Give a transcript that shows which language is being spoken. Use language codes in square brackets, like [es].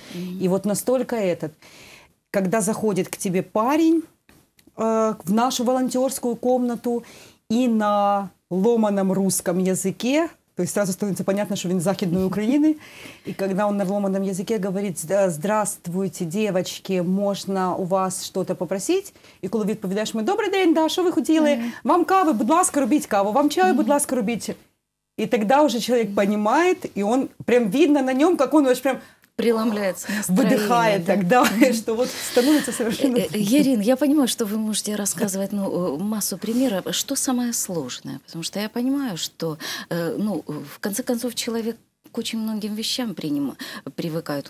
[ru] И вот настолько этот... Когда заходит к тебе парень в нашу волонтерскую комнату и на ломаном русском языке, то есть сразу становится понятно, что он из [uk] Західної України, [ru] и когда он на ломаном языке говорит: «Здравствуйте, девочки, можно у вас что-то попросить?» [uk] И коли відповідаєш: «Ми добрий день, да, що ви хотіли? Вам кави, будь ласка, робіть каву, вам чаю, будь ласка, робіть». [ru] І тогда уже человек понимает, и он прям видно на нем, как он вообще прям... преломляется настроение. Выдыхает тогда, что вот становится совершенно... Ярин, я понимаю, что вы можете рассказывать массу примеров. Что самое сложное? Потому что я понимаю, что, в конце концов, человек к очень многим вещам привыкает.